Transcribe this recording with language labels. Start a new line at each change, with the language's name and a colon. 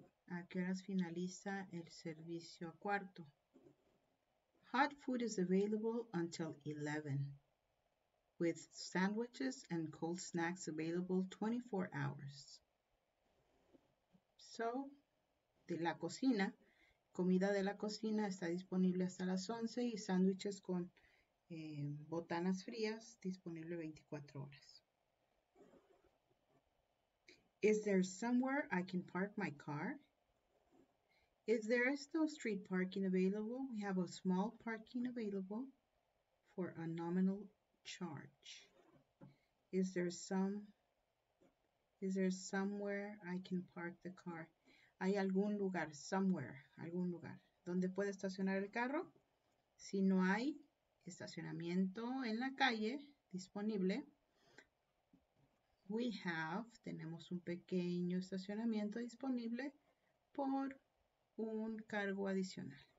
Spanish: ¿A qué horas finaliza el servicio a cuarto?
English: Hot food is available until 11, with sandwiches and cold snacks available 24 hours.
Spanish: So, de la cocina, comida de la cocina está disponible hasta las 11 y sandwiches con botanas frías disponible 24 horas.
English: Is there somewhere I can park my car? If there is no street parking available, we have a small parking available for a nominal charge. Is there somewhere I can park the car?
Spanish: Hay algún lugar,
English: somewhere,
Spanish: algún lugar. ¿Dónde puedo estacionar el carro? Si no hay estacionamiento en la calle disponible,
English: we have,
Spanish: tenemos un pequeño estacionamiento disponible por un cargo adicional.